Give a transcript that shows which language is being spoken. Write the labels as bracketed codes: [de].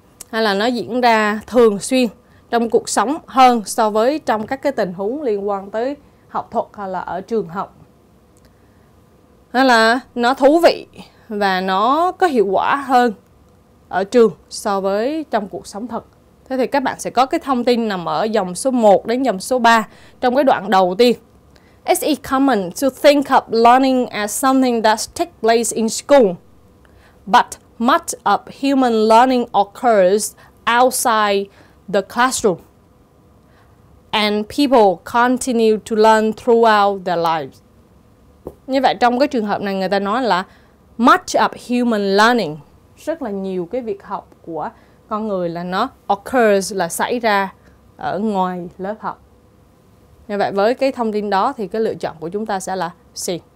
[vi] Hay là nó diễn ra thường xuyên trong cuộc sống hơn so với trong các cái tình huống liên quan tới học thuật hay là ở trường học. Hay là nó thú vị và nó có hiệu quả hơn ở trường so với trong cuộc sống thật. Thế thì các bạn sẽ có cái thông tin nằm ở dòng số 1 đến dòng số 3 trong cái đoạn đầu tiên. [en] It's common to think of learning as something that takes place in school, but much of human learning occurs outside the classroom, and people continue to learn throughout their lives. [vi] Như vậy trong cái trường hợp này người ta nói là [en] much of human learning, [vi] rất là nhiều cái việc học của con người là nó occurs, là xảy ra ở ngoài lớp học. Như vậy với cái thông tin đó thì cái lựa chọn của chúng ta sẽ là C.